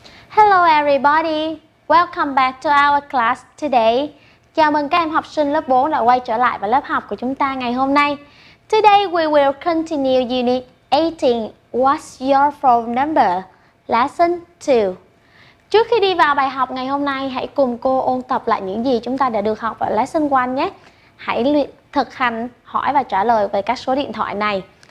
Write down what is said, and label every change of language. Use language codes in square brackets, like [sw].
[en] Hello everybody, welcome back to our class today. [vi] Chào mừng các em học sinh lớp 4 đã quay trở lại vào lớp học của chúng ta ngày hôm nay. [en] Today we will continue unit 18, What's your phone number? Lesson 2. [vi] Trước khi đi vào bài học ngày hôm nay, hãy cùng cô ôn tập lại những gì chúng ta đã được học ở lesson 1 nhé. Hãy luyện thực hành hỏi và trả lời về các số điện thoại này.